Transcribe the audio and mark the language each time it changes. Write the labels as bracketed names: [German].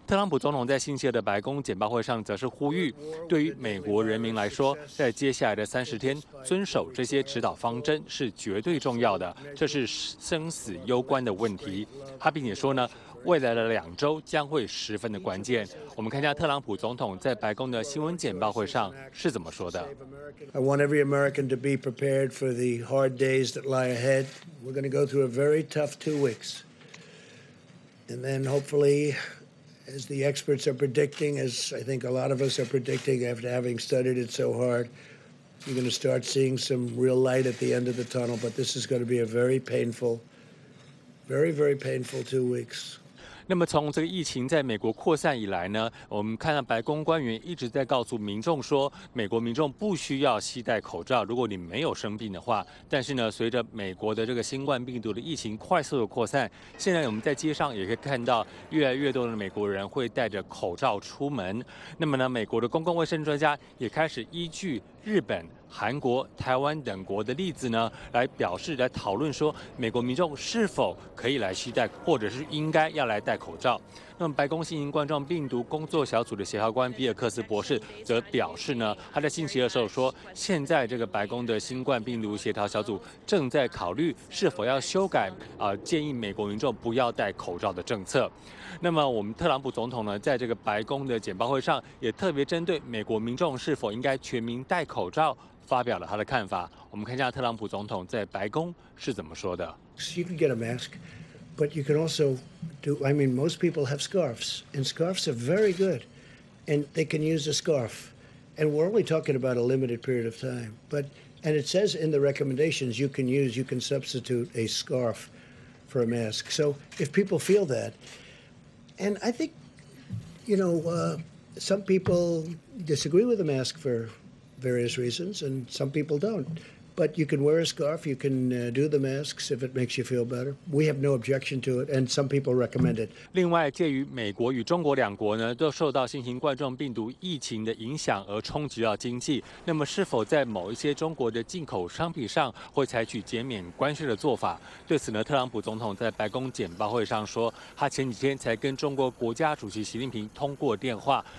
[Chinese] 特朗普总统在星期二的白宫简报会上则是呼吁，对于美国人民来说，在接下来的30天遵守这些指导方针是绝对重要的，这是生死攸关的问题。他并且说呢，未来的2周将会十分的关键。我们看一下特朗普总统在白宫的新闻简报会上是怎么说的。 [English] I want every American to be prepared for the hard days that lie ahead. We're going to go through a very tough 2 weeks. And then hopefully, as the experts are predicting, as I think a lot of us are predicting after having studied it so hard, you're going to start seeing some real light at the end of the tunnel. But this is going to be a very painful, very, very painful 2 weeks. [Chinese] 那么从这个疫情在美国扩散以来呢，我们看到白宫官员一直在告诉民众说，美国民众不需要携带口罩，如果你没有生病的话。但是呢，随着美国的这个新冠病毒的疫情快速的扩散，现在我们在街上也可以看到越来越多的美国人会戴着口罩出门。那么呢，美国的公共卫生专家也开始依据日本、韩国、台湾等国的例子呢，来表示来讨论说，美国民众是否可以来携带，或者是应该要来戴口罩。那么白宫新型冠状病毒工作小组的协调官比尔克斯博士则表示呢，他在星期二的时候说，现在这个白宫的新冠病毒协调小组正在考虑是否要修改建议美国民众不要戴口罩的政策。那么我们特朗普总统呢，在这个白宫的简报会上也特别针对美国民众是否应该全民戴口罩发表了他的看法。我们看一下特朗普总统在白宫是怎么说的。 [English] You can get a mask, but you can also do, I mean, most people have scarves, and scarves are very good, and they can use a scarf. And we're only talking about a limited period of time. But, and it says in the recommendations you can use, you can substitute a scarf for a mask. So if people feel that, and I think, you know, some people disagree with a mask for various reasons, and some people don't. But you can wear a scarf, you can do the masks if it makes you feel better. We have no objection to it, and some people recommend it. [Chinese] 另外，介于美国与中国两国呢，都受到新型冠状病毒疫情的影响而冲击到经济。那么，是否在某一些中国的进口商品上会采取减免关税的做法？对此呢，特朗普总统在白宫简报会上说，他前几天才跟中国国家主席习近平通过电话。